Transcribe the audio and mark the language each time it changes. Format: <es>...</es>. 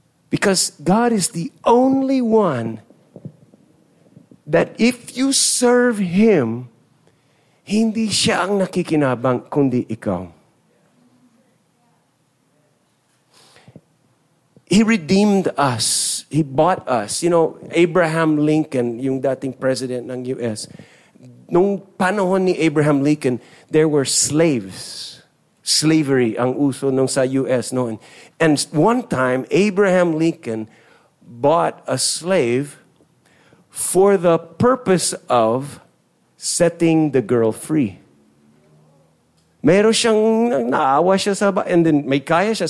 <en>Because God is the only one that if you serve Him,</en> <tl>hindi siya ang nakikinabang, kundi ikaw.</tl> <en>He redeemed us. He bought us. You know, Abraham Lincoln,</en> <tl>yung dating</tl> <en>president ng US.</en> <tl>Nung panahon ni</tl> <en>Abraham Lincoln, there were slaves.</en> <tl>Slavery ang uso nung sa US noon.</tl> <en>And one time, Abraham Lincoln bought a slave for the purpose of setting the girl free.</en> <tl>Meron siyang naawa siya sa ba, and then may kaya siya.</tl>